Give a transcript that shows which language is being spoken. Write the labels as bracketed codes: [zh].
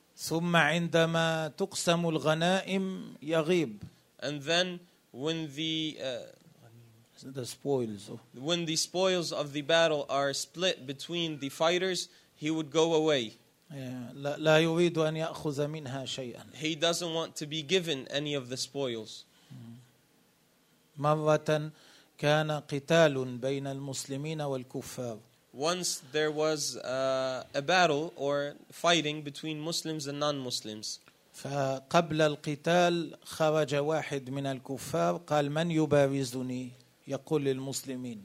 [ar] ثم عندما تقسم الغنائم يغيب. [en] And then when the the spoils. When the spoils of the battle are split between the fighters, he would go away. [ar] لا يريد أن يأخذ منها شيئا. [en] He doesn't want to be given any of the spoils. [ar] مرة كان قتال بين المسلمين والكفار. [en] Once there was a battle or fighting between Muslims and non-Muslims. [ar] فقبل القتال خرج واحد من الكفار قال من يبارزني؟ يقول للمسلمين.